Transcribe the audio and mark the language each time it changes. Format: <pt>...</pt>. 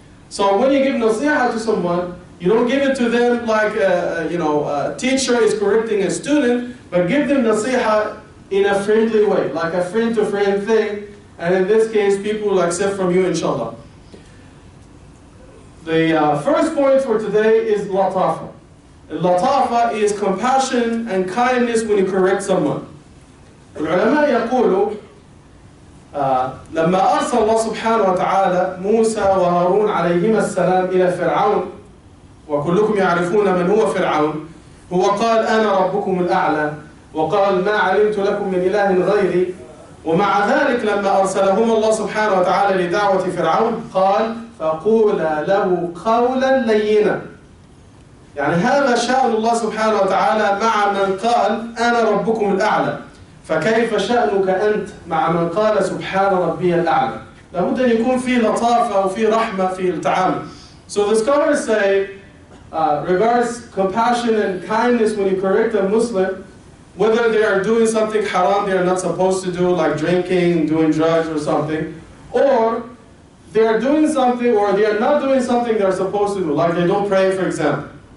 <en>So when you give nasiha to someone, you don't give it to them like a teacher is correcting a student, but give them nasiha in a friendly way, like a friend-to-friend thing. And in this case, people will accept from you, inshallah. The first point for today is latafa. Latafa is compassion and kindness when you correct someone.</en> <ar>العلماء يقولوا لما أرسل الله سبحانه وتعالى موسى وهارون عليهما السلام إلى فرعون وكلكم يعرفون من هو فرعون هو قال أنا ربكم الأعلى وقال ما علمت لكم من إله غيري ومع ذلك لما أرسلهم الله سبحانه وتعالى لدعوة فرعون قال فقولا له قولا لينا. يعني هذا شأن الله سبحانه وتعالى مع من قال أنا ربكم الأعلى، فكيف شأنك أنت مع من قال سبحان ربي الأعلى؟ لابد أن يكون في لطافة وفي رحمة في التعامل.</ar> <en>So the scholars say regards compassion and kindness when you correct a Muslim, whether they are doing something haram they are not supposed to do, like drinking, doing drugs or something, or they are doing something or they are not doing something they are supposed to do, like they don't pray, for example.</en>